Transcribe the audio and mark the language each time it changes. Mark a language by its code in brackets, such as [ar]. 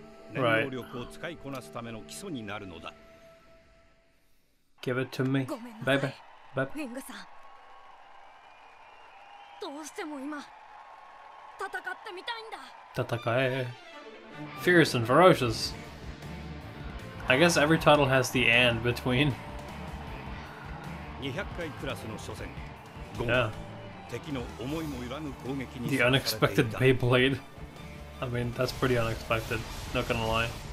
[en] Right. Give it to me. Bye bye. Bye. Ringo-san. [ja] どうしても今戦ってみたいんだ。戦え。 [en] Fierce and ferocious. I guess every title has the and between. [ja] 200回クラスの初戦。 [en] Yeah. [ja] 敵の思いもよらぬ攻撃に。 [en] The unexpected Beyblade. I mean, that's pretty unexpected, not gonna lie.